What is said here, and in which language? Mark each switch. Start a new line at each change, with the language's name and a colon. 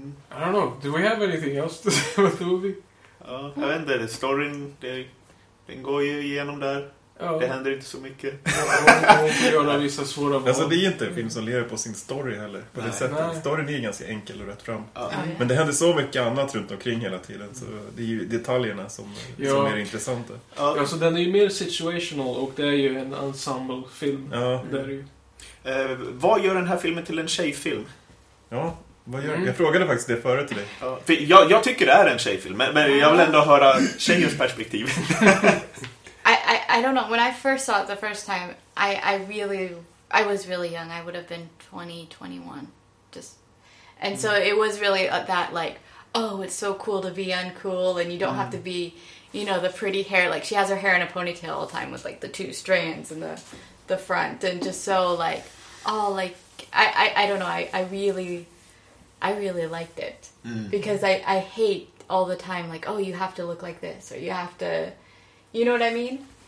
English: I don't know. Do we have anything else to say about the movie?
Swedish: Jag vet inte. Storyn, den går ju igenom där. Oh. Det händer inte så mycket. Vissa svåra val. Alltså, det är inte en film som lever på sin story heller. På det sättet. Storyn är ganska enkel och rätt fram. Men det händer så mycket annat runt omkring hela tiden. Så det är ju detaljerna som är intressanta. Alltså, den är ju mer situational och det är ju en ensemble-film. Ja. Det är ju... Vad gör den här filmen till en tjejfilm? Ja, vad gör jag frågade faktiskt det förut till dig. Jag tycker det är en tjejfilm, men jag vill ändå höra tjejens perspektiv.
English: I don't know. When I first saw it the first time, I was really young. I would have been 20, 21. So it was really that like, oh, it's so cool to be uncool and you don't have to be, you know, the pretty hair. Like, she has her hair in a ponytail all the time with like the two strands and the front, and just so like, oh, like I don't know, I really liked it because I hate all the time like, oh, you have to look like this or you have to, you know what I mean?